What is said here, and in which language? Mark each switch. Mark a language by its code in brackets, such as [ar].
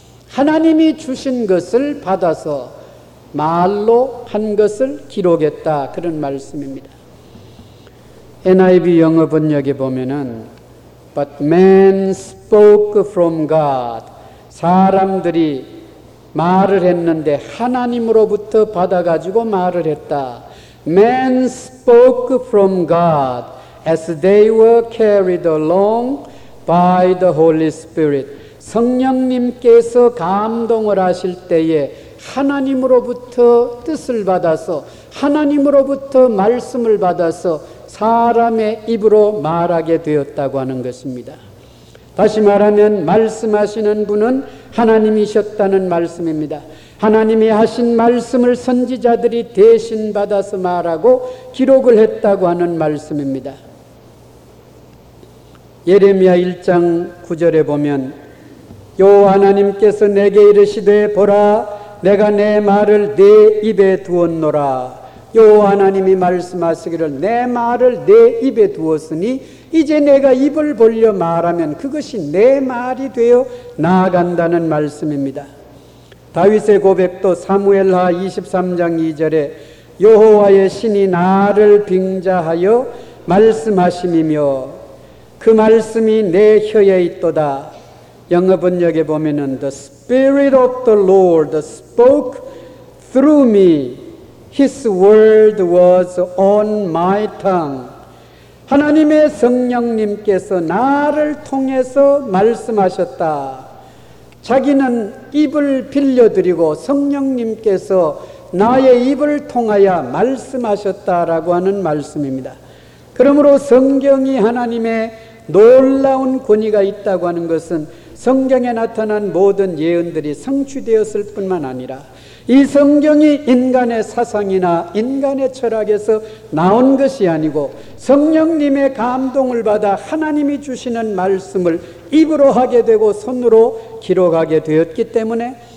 [ko] 하나님이 주신 것을 받아서 말로 한 것을 기록했다, 그런 말씀입니다. [en] NIV [ko] 영어 번역에 보면은 [en] But man spoke from God. [ko] 사람들이 말을 했는데 하나님으로부터 받아가지고 말을 했다. [en] Man spoke from God as they were carried along by the Holy Spirit. [ko] 성령님께서 감동을 하실 때에 하나님으로부터 뜻을 받아서, 하나님으로부터 말씀을 받아서 사람의 입으로 말하게 되었다고 하는 것입니다. 다시 말하면 말씀하시는 분은 하나님이셨다는 말씀입니다. 하나님이 하신 말씀을 선지자들이 대신 받아서 말하고 기록을 했다고 하는 말씀입니다. 예레미야 1장 9절에 보면 여호와 하나님께서 내게 이르시되 보라 내가 내 말을 내 입에 두었노라. 여호와 하나님이 말씀하시기를 내 말을 내 입에 두었으니 이제 내가 입을 벌려 말하면 그것이 내 말이 되어 나아간다는 말씀입니다. 다윗의 고백도 사무엘하 23장 2절에 여호와의 신이 나를 빙자하여 말씀하심이며 그 말씀이 내 혀에 있도다. 영어 번역에 보면은 [en] The Spirit of the Lord spoke through me. His word was on my tongue. [ko] 하나님의 성령님께서 나를 통해서 말씀하셨다. 자기는 입을 빌려드리고 성령님께서 나의 입을 통하여 말씀하셨다라고 하는 말씀입니다. 그러므로 성경이 하나님의 놀라운 권위가 있다고 하는 것은 성경에 나타난 모든 예언들이 성취되었을 뿐만 아니라 이 성경이 인간의 사상이나 인간의 철학에서 나온 것이 아니고 성령님의 감동을 받아 하나님이 주시는 말씀을 입으로 하게 되고 손으로 기록하게 되었기 때문에